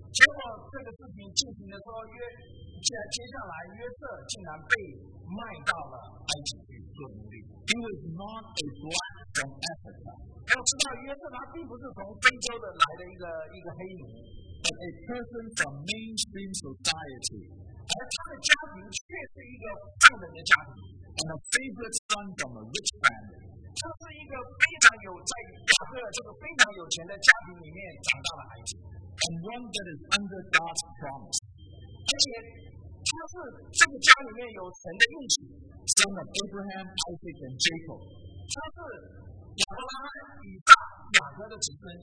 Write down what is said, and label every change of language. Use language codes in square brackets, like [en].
[zh] 结果这个事情进行的时候，约接下来约瑟竟然被卖到了埃及去做奴隶。 [en] He was not a black from Africa. [zh] 要知道，约瑟他并不是从非洲的来的一个黑奴。 [en] But a person from mainstream society. [zh] 而他的家庭却是一个富人的家庭。 [en] And a favorite son from a rich family. [zh] 他是一个非常有在雅各这个非常有钱的家庭里面长大的孩子。 [en] And one that is under God's promise. [zh] 而且他是这个家里面有神的应许。 [en] Son of Abraham, Isaac, and Jacob. [zh] 他是亚伯拉罕、以撒、雅各的子孙。